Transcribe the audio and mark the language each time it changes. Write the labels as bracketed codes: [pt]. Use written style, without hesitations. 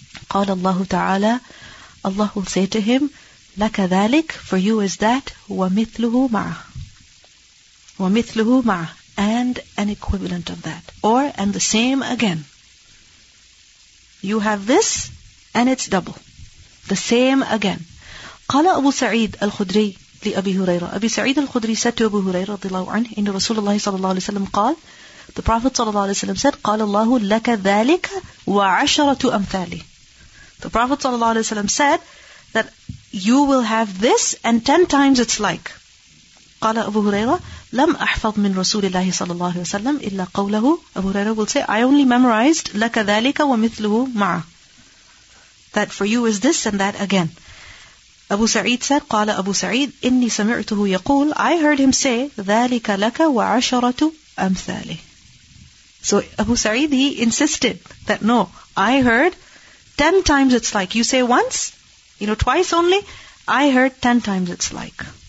[ar] قَالَ اللَّهُ تَعَالَى [en] Allah will say to him, [ar] لَكَ ذَلِكَ [en] For you is that, [ar] وَمِثْلُهُ مَعَهُ وَمِثْلُهُ مَعَهُ [en] And an equivalent of that. Or, and the same again. You have this, and it's double. The same again. [ar] قَالَ أَبُو سَعِيدٍ الْخُدْرِي لِأَبِي هُرَيْرَةَ أَبِي سَعِيدٍ الْخُدْرِي [en] said to Abu Huraira [ar] رضي الله عنه إِنَّ رَسُولَ اللَّهِ صَلَى اللَّهُ عَلَيْهِ وَسَلَّمْ قَالَ [en] The Prophet صلى الله عليه وسلم said, قَالَ اللَّهُ لَكَ ذَلِكَ وَعَشَرَةُ أَمْثَالِ The Prophet صلى الله عليه وسلم said that you will have this and 10 times its like. [ar] قال أبو هريرة لم أحفظ من رسول الله صلى الله عليه وسلم إلا قوله [en] أبو هريرة will say I only memorized [ar] لك ذلك ومثله معه [en] that for you is this and that again أبو سعيد said [ar] قال أبو سعيد إني سمعته يقول [en] I heard him say [ar] ذلك لك وعشرة أمثاله [en] so أبو سعيد he insisted that no I heard 10 times it's like you say once you know twice only I heard 10 times it's like